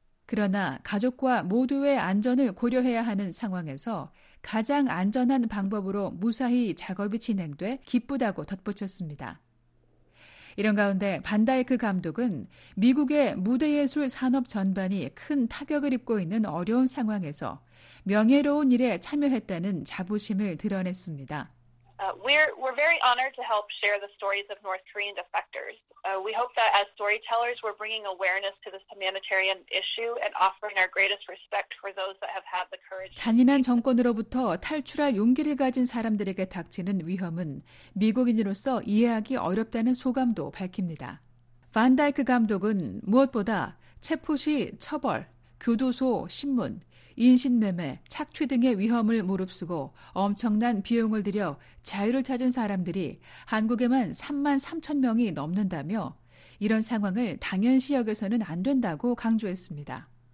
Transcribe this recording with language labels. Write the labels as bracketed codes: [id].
[ko] 그러나 가족과 모두의 안전을 고려해야 하는 상황에서 가장 안전한 방법으로 무사히 작업이 진행돼 기쁘다고 덧붙였습니다. 이런 가운데 반다이크 감독은 미국의 무대예술 산업 전반이 큰 타격을 입고 있는 어려운 상황에서 명예로운 일에 참여했다는 자부심을 드러냈습니다. [en] We're very honored to help share the stories of North Korean defectors. We hope that as storytellers, we're bringing awareness to this humanitarian issue and offering our greatest respect for those that have had the courage. [ko] 잔인한 정권으로부터 탈출할 용기를 가진 사람들에게 닥치는 위험은 미국인으로서 이해하기 어렵다는 소감도 밝힙니다. 반다이크 감독은 무엇보다 체포시 처벌, 교도소 신문, 인신매매, 착취 등의 위험을 무릅쓰고 엄청난 비용을 들여 자유를 찾은 사람들이 한국에만 3만 3천 명이 넘는다며 이런 상황을 당연시 여겨서는 안 된다고 강조했습니다.